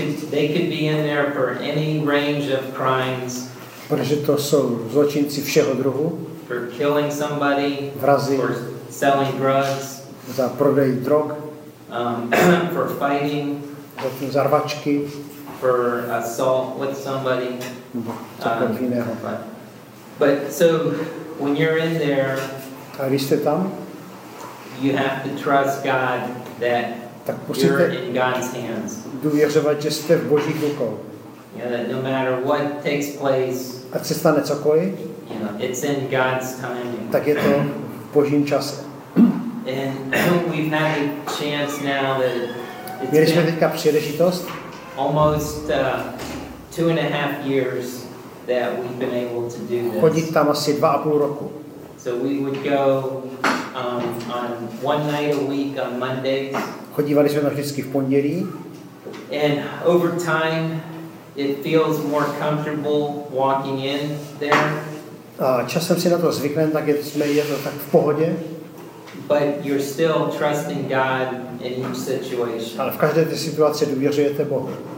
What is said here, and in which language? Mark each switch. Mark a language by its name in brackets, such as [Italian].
[English] They could be in there for any range of crimes. [Czech] Protože to jsou zločinci všeho druhu. [English] For killing somebody, [Czech] vrazi, [English] for selling drugs, [Czech] za prodej drog, [English] for fighting, [Czech] za rvačky, [English] for assault with somebody, [Czech] cokoliv jiného. [English] But so when you're in there, [Czech] a když jste tam, [English] you have to trust God that you're in God's hands. [Czech] Důvěřovat, že jste v Božích rukou. [English] Yeah, that no matter what takes place, [Czech] a co stane cokoliv, [English] you know, it's in God's timing. [Czech] Tak je to v Božím čase. [English] And we've had a chance now that [Czech] měli jsme teďka příležitost. [English] Almost 2.5 years that we've been able to do this. [Czech] Chodit tam asi 2.5 roku. [English] So we would go on one night a week on Mondays. [Czech] Chodívali jsme tam vždycky v pondělí. [English] And over time, it feels more comfortable walking in there. [Czech] A časem si na to zvyknem, tak je to tak v pohodě. [English] But you're still trusting God in each situation. [Czech] Ale v každé té situaci důvěřujete Bohu.